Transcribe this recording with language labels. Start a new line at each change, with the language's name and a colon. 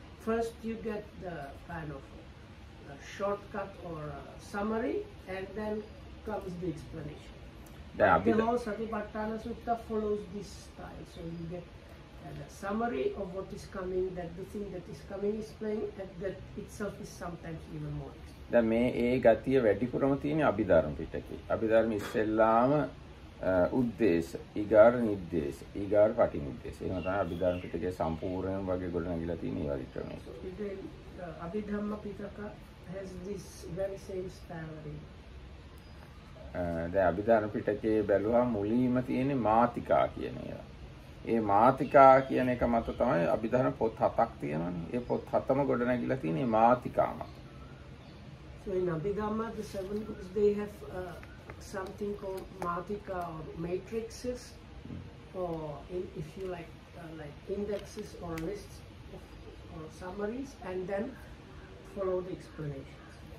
English: First you get the kind of shortcut or summary, and then comes the explanation. The whole Satipatthana Sutta follows this style. So you get the summary of what is coming, that the thing that is coming is playing, and that itself is sometimes even more.
Sinhala: දැන් මේ ඒ ගතිය වැඩිපුරම තියෙන්නේ අභිධර්ම පිටකේ. අභිධර්ම ඉස්සෙල්ලාම උද්දේශ, ඊගාර නිද්දේශ, ඊගාර පටි නිද්දේශ. එහෙනම් තමයි අභිධර්ම පිටකේ සම්පූර්ණම වගේ ගොඩනැගිලා තියෙන ඒ වගේ ක්‍රමය.
English: Abhidharma Pitaka has this very same style.
Sinhala: ඒ අභිධර්ම පිටකේ බැලුවා මුලින්ම තියෙන්නේ මාතිකා කියන එක. ඒ මාතිකා කියන එක මත තමයි අභිධර්ම පොත් හතක් තියෙනවානේ. ඒ පොත් හතම ගොඩනැගිලා තියෙන මේ මාතිකා මත.
English: So in Abhidhamma, the seven books, they have something called matika or matrices, or if you like indexes or lists or summaries, and then follow the explanations.